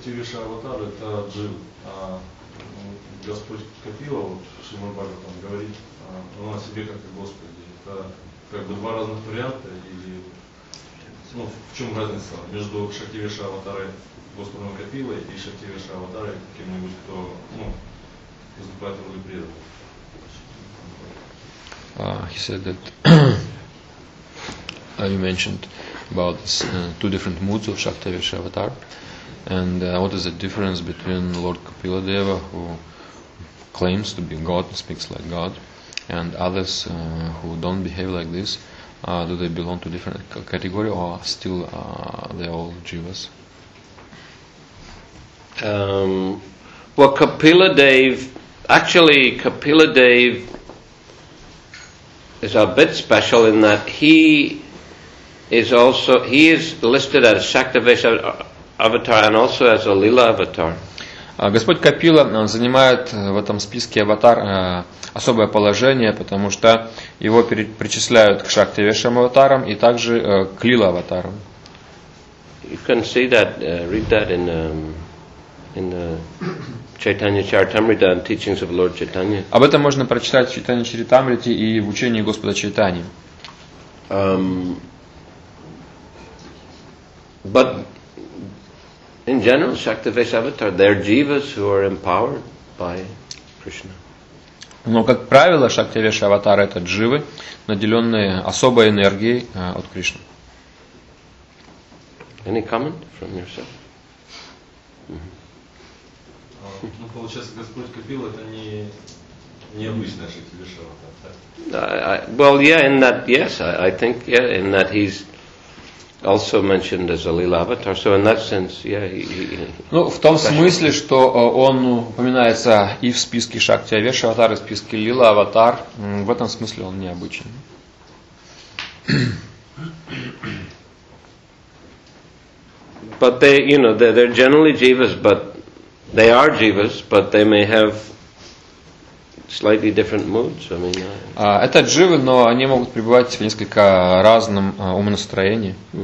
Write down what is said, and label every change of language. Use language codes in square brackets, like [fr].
[ru] Авотар это джин, а Господь Капила, вот Шримад Бхагаватам говорит, он о себе как о Господе. Это как бы два разных варианта, или ну, в чем разница между Шактивиша Аватарой Господом Капилой и Шактивиша Аватарой кем-нибудь, кто ну, выступает в роли преданного? [en] He said that you mentioned about two different moods of Shaktivisha Avatar. And what is the difference between Lord Kapiladeva, who claims to be God, speaks like God, and others who don't behave like this? Do they belong to different category or still they're all jivas? Well, Kapiladeva is a bit special in that he is listed as Shaktivesha Avatar and also as a Lila Avatar. [ru] Господь Капила занимает в этом списке аватар особое положение, потому что его причисляют к Шактивешам аватарам и также к Лила аватарам. [en] You can see that, read that in the Chaitanya Charitamrita and teachings of Lord Chaitanya. [ru] Об этом можно прочитать в Чайтанья Чаритамрите и в учении Господа Чайтаньи. [en] But in general, Shaktivesha Avatar, they're jivas who are empowered by Krishna. [ru] Но как правило, Шактивеша Аватар это дживы, наделенные особой энергией от Кришны. [en] Any comment from yourself? Mm-hmm. [ru] Ну получается, Господь Капила это необычный Шактивеша Аватар. [en] Well, yeah, in that, yes, I think, yeah, in that he's also mentioned as a Lila Avatar, so in that sense, yeah, he [ru] ну, в том смысле, что он упоминается и в списке Шакти Авеша Аватар, и в списке Лила Аватар, в этом смысле он необычен. [en] But they, you know, they're generally jivas, but they are jivas, but they may have slightly different moods. I mean, [ru] это дживы, но они могут пребывать в несколько разном умонастроении.